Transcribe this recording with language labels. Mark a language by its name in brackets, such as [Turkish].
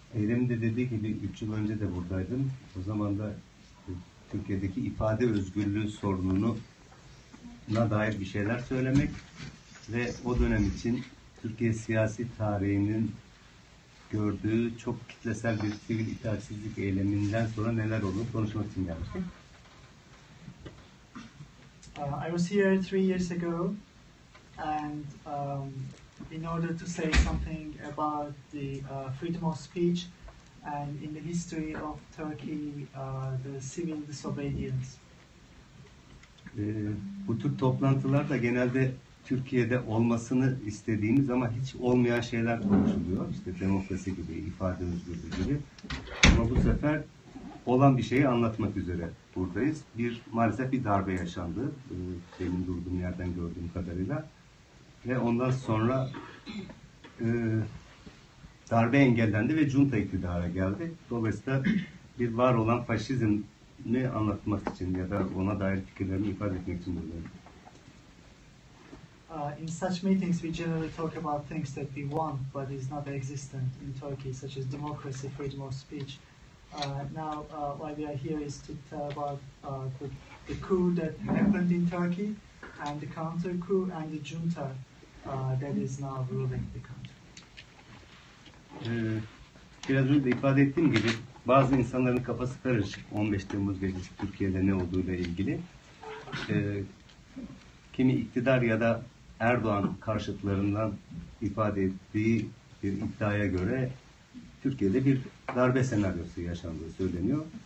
[Turkish] Erim de dediği gibi 3 yıl önce de buradaydım. O zaman da Türkiye'deki ifade özgürlüğü sorununa dair bir şeyler söylemek ve o dönem için Türkiye siyasi tarihinin gördüğü çok kitlesel bir sivil itaatsizlik eyleminden sonra neler oldu konuşmak için gelmiştim. [English] I was here 3 years ago and in order to say something about the freedom of speech and in the history of Turkey the civil disobedience. [Turkish] Bu tür toplantılar da genelde Türkiye'de olmasını istediğimiz ama hiç olmayan şeyler konuşuluyor. İşte demokrasi gibi, ifade özgürlüğü gibi. Ama bu sefer olan bir şeyi anlatmak üzere buradayız. Maalesef bir darbe yaşandı. Benim durduğum yerden gördüğüm kadarıyla. Ve ondan sonra darbe engellendi ve junta iktidara geldi. Dolayısıyla bir var olan faşizmi anlatmak için ya da ona dair fikirlerimi ifade etmek için buradayım. [English] In such meetings, we generally talk about things that we want, but is not existent in Turkey, such as democracy, freedom of speech. Now, why we are here is to tell about the coup that happened in Turkey, and the counter coup, and the junta that is now ruling the country. [Turkish] Biraz önce ifade ettiğim gibi, bazı insanların kafası karışık 15 Temmuz gecesi Türkiye'de ne olduğuyla ilgili. Kimi iktidar ya da Erdoğan karşıtlarından ifade ettiği bir iddiaya göre Türkiye'de bir darbe senaryosu yaşandığı söyleniyor.